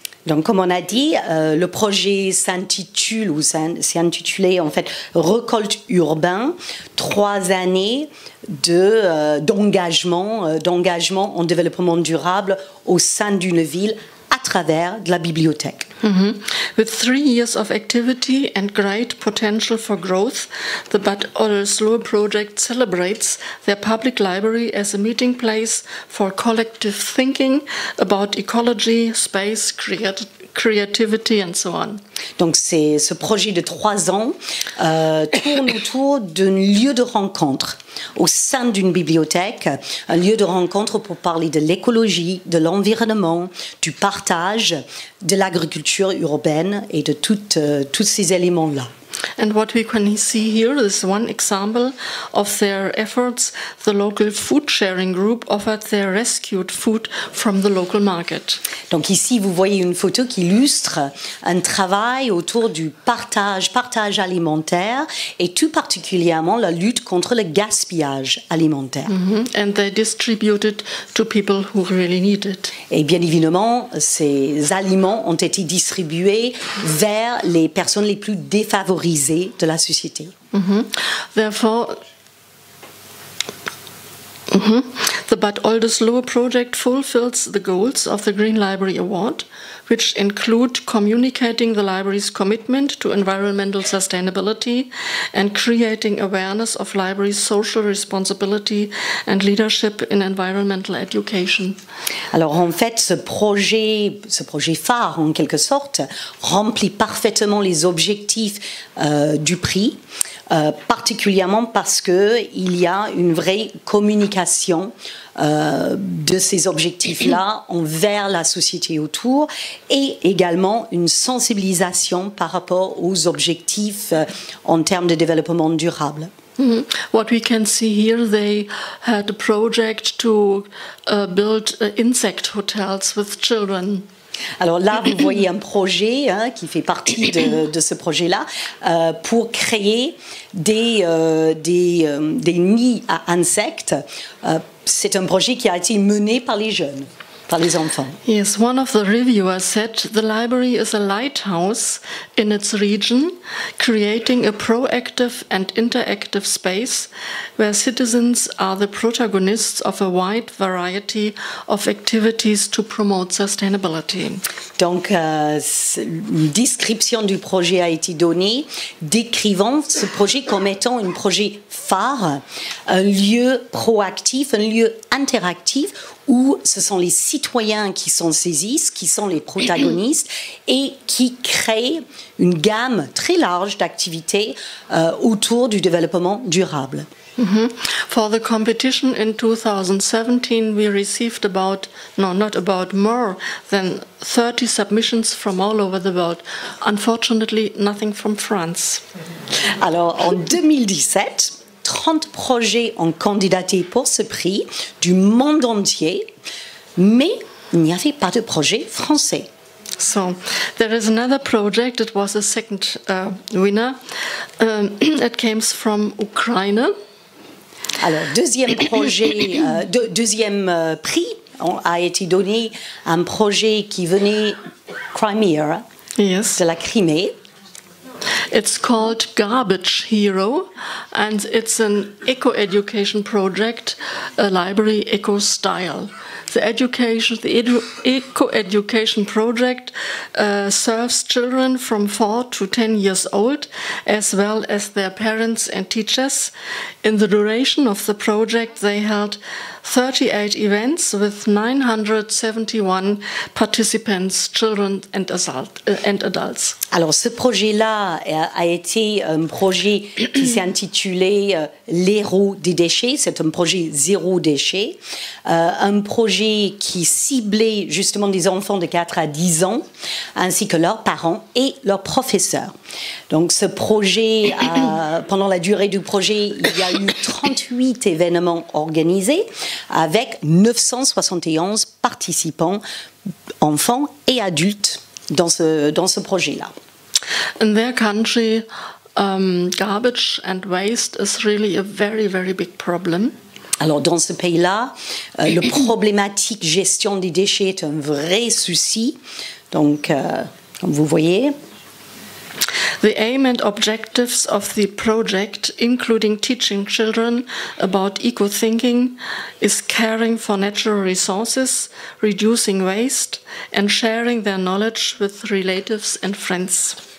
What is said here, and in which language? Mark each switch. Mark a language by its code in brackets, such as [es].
[fr] Donc, comme on a dit, le projet s'est intitulé en fait Récolte urbain, 3 années d'engagement en développement durable au sein d'une ville à travers de la bibliothèque. Mm-hmm. [en] With 3 years of activity and great potential for growth, the Bad Oldesloe project celebrates their public library as a meeting place for collective thinking about ecology, space, creativity and so on. [fr] Donc c'est ce projet de 3 ans tourne autour d'un lieu de rencontre au sein d'une bibliothèque, un lieu de rencontre pour parler de l'écologie, de l'environnement, du partage, de l'agriculture urbaine et de tous ces éléments-là. [en] And what we can see here is one example of their efforts. The local food sharing group offered their rescued food from the local market. [fr] Donc ici, vous voyez une photo qui illustre un travail autour du partage alimentaire et tout particulièrement la lutte contre le gaspillage alimentaire. Mm-hmm. [en] And they distributed to people who really need it. [fr] Et bien évidemment, ces aliments ont été distribués vers les personnes les plus défavorisées de la société. Mm-hmm. Therefore, mm-hmm. [en] The Bad Oldesloe project fulfills the goals of the Green Library Award, which include communicating the library's commitment to environmental sustainability and creating awareness of library's social responsibility and leadership in environmental education. [fr] Alors en fait, ce projet phare en quelque sorte remplit parfaitement les objectifs du prix. Particulièrement parce qu'il y a une vraie communication de ces objectifs-là envers la société autour et également une sensibilisation par rapport aux objectifs en termes de développement durable. Mm-hmm. [en] What we can see here, they had a project to build insect hotels with children. [fr] Alors là, vous voyez un projet hein, qui fait partie de ce projet-là pour créer des nids à insectes. C'est un projet qui a été mené par les jeunes, par les enfants. [en] Yes, one of the reviewers said the library is a lighthouse in its region, creating a proactive and interactive space where citizens are the protagonists of a wide variety of activities to promote sustainability. [fr] Donc, une description du projet a été donnée, décrivant ce projet comme étant un projet phare, un lieu proactif, un lieu interactif, où ce sont les citoyens qui s'en saisissent, qui sont les protagonistes, et qui créent une gamme très large d'activités autour du développement durable. Mm-hmm. [en] For the competition in 2017, we received more than 30 submissions from all over the world. Unfortunately, nothing from France. [fr] Alors, en 2017, 30 projets ont candidaté pour ce prix du monde entier, mais il n'y avait pas de projet français. [en] So, there is another project. It was a second winner. It came from Ukraine. [fr] Alors, deuxième projet, deuxième prix a été donné à un projet qui venait de la Crimée. [en] It's called Garbage Hero, and it's an eco-education project, a library eco-style. The eco-education project serves children from 4 to 10 years old, as well as their parents and teachers. In the duration of the project, they held 38 events with 971 participants, children and adults. [fr] Alors, ce projet-là a été un projet qui s'est intitulé L'héros des déchets. C'est un projet zéro déchet. Un projet qui ciblait justement des enfants de 4 à 10 ans, ainsi que leurs parents et leurs professeurs. Donc, ce projet, pendant la durée du projet, il y a eu 38 événements organisés avec 971 participants, enfants et adultes, dans ce projet-là. [en] In their country, garbage and waste is really a very, very big problem. [fr] Alors, dans ce pays-là, le problématique gestion des déchets est un vrai souci. Donc, comme vous voyez. [en] The aim and objectives of the project, including teaching children about eco-thinking, is caring for natural resources, reducing waste, and sharing their knowledge with relatives and friends.